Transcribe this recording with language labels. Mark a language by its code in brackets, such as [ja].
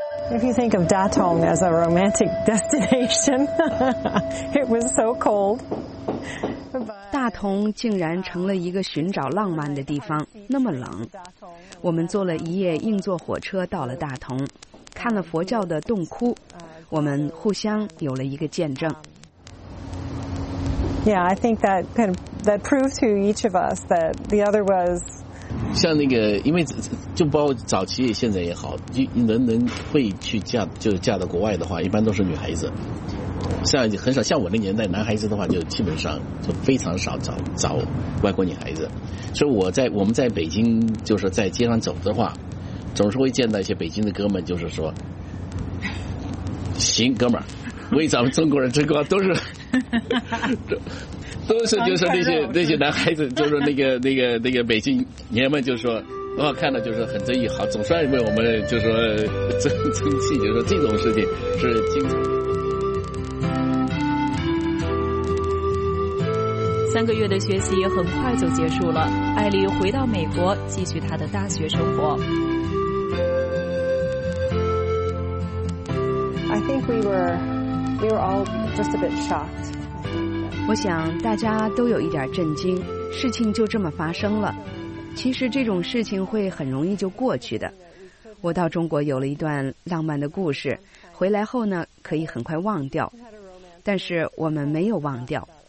[en] If you think of Datong as a romantic destination, it was so cold. [zh] 大同竟然成了一个寻找浪漫的地方，那么冷。我们坐了一夜硬座火车到了大同，看了佛教的洞窟，我们互相有了一个见证。 [en] Yeah, I think that proves to each of us that the other was. [zh] 像那个，因为就包括早期现在也好，能会去嫁，就嫁到国外的话，一般都是女孩子。像很少，像我那年代，男孩子的话就基本上就非常少找外国女孩子。所以我们在北京，就是在街上走的话，总是会见到一些北京的哥们，就是说，行哥们儿，为咱们中国人争光，都是就是那些男孩子，就是那个北京爷们，就说我看到就是很得意，好，总算为我们就说争气，就说这种事情是经常。三个月的学习很快就结束了，艾丽回到美国继续她的大学生活。 [en] I think we were all just a bit shocked. [zh] 我想大家都有一点震惊，事情就这么发生了。其实这种事情会很容易就过去的。我到中国有了一段浪漫的故事，回来后呢可以很快忘掉，但是我们没有忘掉。